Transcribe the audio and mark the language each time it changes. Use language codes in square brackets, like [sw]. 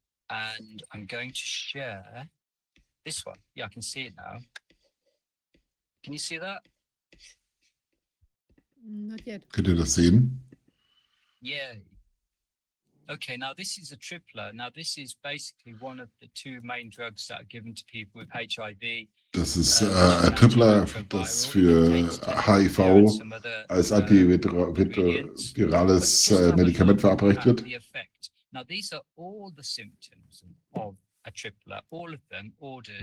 [en] And I'm going to share this one. Yeah, I can see it now. Can you see that? Not yet. [de] Könnt ihr das sehen? [en] Yeah. Okay, now this is a tripler. Now this is basically one of the two main drugs that are given to people with HIV. [de] Das ist ein Tripler, das für HIV als antivirales Medikament verabreicht wird. [en] Now these are all the symptoms of a tripler, all of them ordered.